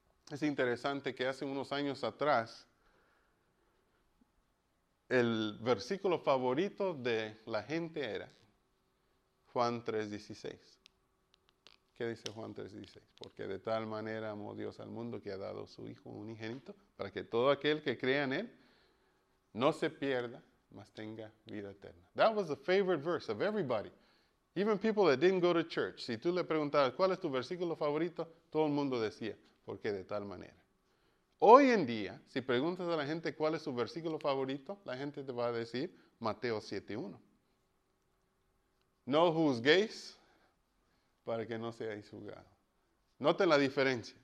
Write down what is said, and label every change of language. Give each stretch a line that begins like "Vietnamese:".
Spanish: Es interesante que hace unos años atrás, el versículo favorito de la gente era Juan 3:16, ¿Qué dice Juan 3:16? Porque de tal manera amó Dios al mundo que ha dado su Hijo unigénito para que todo aquel que crea en Él no se pierda, mas tenga vida eterna.
English: That was the favorite verse of everybody. Even people that didn't go to church.
Spanish: Si tú le preguntabas, ¿cuál es tu versículo favorito? Todo el mundo decía, porque de tal manera. Hoy en día, si preguntas a la gente cuál es su versículo favorito, la gente te va a decir Mateo 7:1. No juzguéis para que no seáis juzgados. Noten la diferencia.